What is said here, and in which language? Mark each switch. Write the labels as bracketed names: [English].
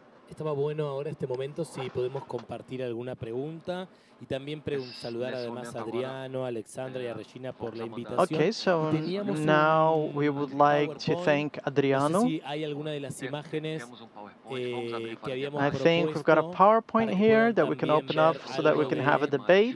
[Spanish] Estaba bueno ahora este momento si podemos compartir alguna pregunta y también saludar además a Adriano, Alexandra y a Regina por la invitación. [English] Okay, so now we would like to thank Adriano. [Spanish] No sé si hay alguna de las imágenes que habíamos propuesto. [English] I think we've got a PowerPoint here that we can open up so that we can have a debate.